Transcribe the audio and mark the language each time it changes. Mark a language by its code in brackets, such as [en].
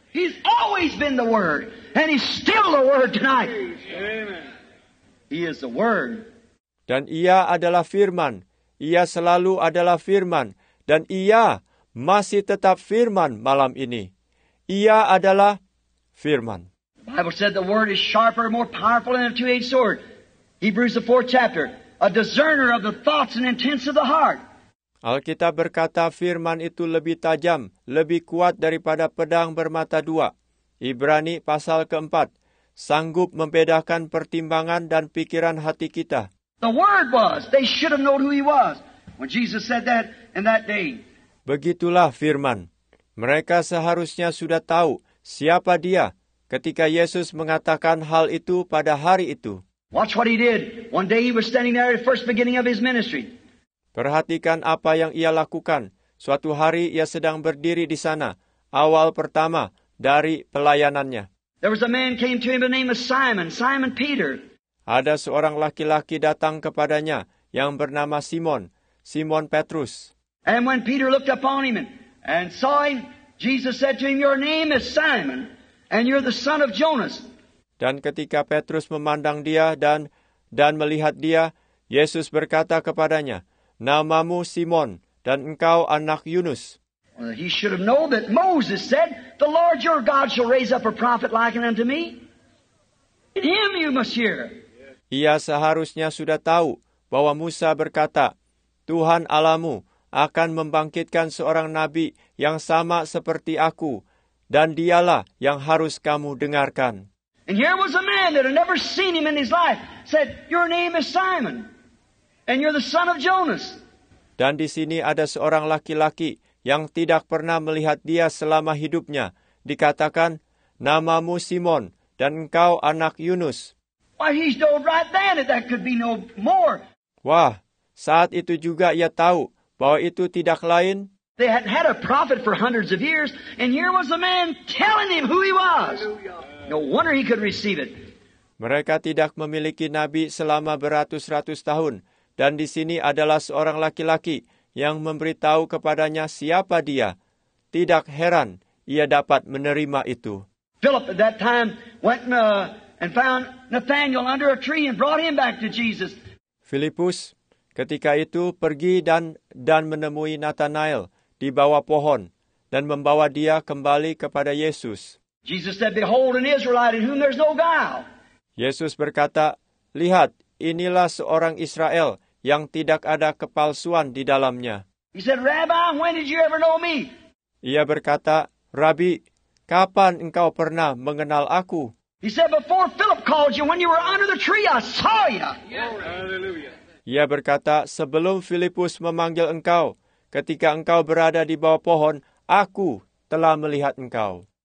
[en] He's always been the Word, and he's still the Word tonight. Amen. He is the Word. [id] Dan ia adalah Firman. Ia selalu adalah Firman, dan ia masih tetap Firman malam ini. Ia adalah Firman. [en] Bible said the Word is sharper, more powerful than a two-edged sword. Hebrews the 4th chapter, a discerner of the thoughts and intents of the heart. [id] Alkitab berkata firman itu lebih tajam, lebih kuat daripada pedang bermata dua. Ibrani pasal keempat, sanggup membedakan pertimbangan dan pikiran hati kita. [en] The Word was, they should have known who he was. When Jesus said that in that day. [id] Begitulah firman. Mereka seharusnya sudah tahu siapa dia ketika Yesus mengatakan hal itu pada hari itu. [en] Watch what he did. One day he was standing there at the first beginning of his ministry. [id] Perhatikan apa yang ia lakukan. Suatu hari ia sedang berdiri di sana, awal pertama dari pelayanannya. [en] There was a man came to him by the name of Simon, Simon Peter. [id] Ada seorang laki-laki datang kepadanya yang bernama Simon, Simon Petrus. [en] And when Peter looked upon him and saw him, Jesus said to him, "Your name is Simon, and you're the son of Jonas." [id] Dan ketika Petrus memandang dia dan melihat dia, Yesus berkata kepadanya, "Namamu Simon, dan engkau anak Yunus." [en] Well, he should have known that Moses said, "The Lord your God shall raise up a prophet like unto me. In him you must hear." [id] Ia seharusnya sudah tahu bahwa Musa berkata, "Tuhan Allahmu akan membangkitkan seorang nabi yang sama seperti aku, dan dialah yang harus kamu dengarkan." [en] And here was a man that had never seen him in his life said, "Your name is Simon, and you're the son of Jonas." [id] Dan di sini ada seorang laki-laki yang tidak pernah melihat dia selama hidupnya, dikatakan, "Namamu Simon dan engkau anak Yunus." [en] Why, he knew right then that could be no more. [id] Wah, saat itu juga ia tahu bahwa itu tidak lain. [en] They had had a prophet for hundreds of years, and here was a man telling him who he was. No wonder he could receive it. [id] Mereka tidak memiliki nabi selama beratus-ratus tahun, dan di sini adalah seorang laki-laki yang memberitahu kepadanya siapa dia. Tidak heran ia dapat menerima itu. [en] Philip at that time went and found Nathanael under a tree and brought him back to Jesus. [id] Filipus ketika itu pergi dan menemui Nathanael di bawah pohon dan membawa dia kembali kepada Yesus. [en] Jesus said, "Behold an Israelite in whom there's no guile." [id] Yesus berkata, "Lihat, inilah seorang Israel yang tidak ada kepalsuan di dalamnya." [en] He said, "Rabbi, when did you ever know me?" [id] Ia berkata, "Rabi, kapan engkau pernah mengenal aku?" [en] He said, "Before Philip called you, when you were under the tree, I saw you." Yeah. [id] Ia berkata, "Sebelum Filipus memanggil engkau, ketika engkau berada di bawah pohon, aku telah melihat engkau."